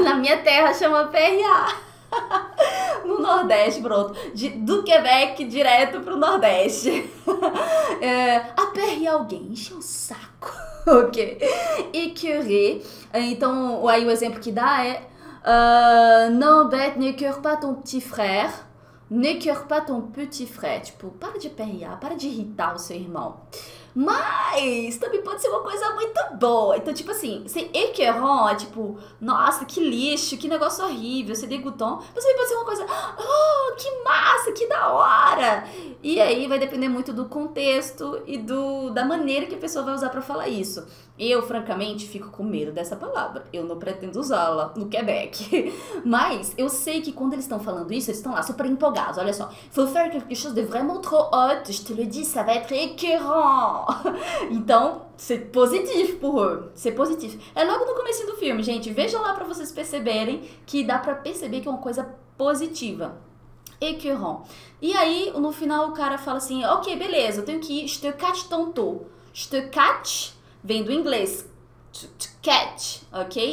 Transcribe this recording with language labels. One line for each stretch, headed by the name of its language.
Portuguese: Na minha terra chama aperreado. No Nordeste, pronto. Do Quebec direto pro Nordeste. Aperrear alguém, encher o saco. Ok. Écœuré. Então, aí o exemplo que dá é.
French: Non, bête, n'écœure pas ton petit frère. N'écœure pas ton petit frère.
Portuguese: Tipo, para de aperrear, para de irritar o seu irmão. Mas também pode ser uma coisa muito boa. Então, tipo assim, ser écœurant, tipo, nossa, que lixo, que negócio horrível, ser dégoûtant. Mas também pode ser uma coisa, oh, que massa, que da hora. E aí vai depender muito do contexto e da maneira que a pessoa vai usar para falar isso. Eu, francamente, fico com medo dessa palavra. Eu não pretendo usá-la no Quebec. Mas eu sei que quando eles estão falando isso, eles estão lá super empolgados. Olha só.
French: Faut faire quelque chose de vraiment trop hot. Je te le dis, ça va être écœurant. Então, c'est positif pour eux. C'est positif.
Portuguese: É logo no comecinho do filme, gente. Vejam lá para vocês perceberem que dá para perceber que é uma coisa positiva. Écœurant. E aí, no final, o cara fala assim: ok, beleza, eu tenho que ir.
French: Je te catch tantôt. Je te catch.
Portuguese: Vem do inglês,
French: to catch, ok?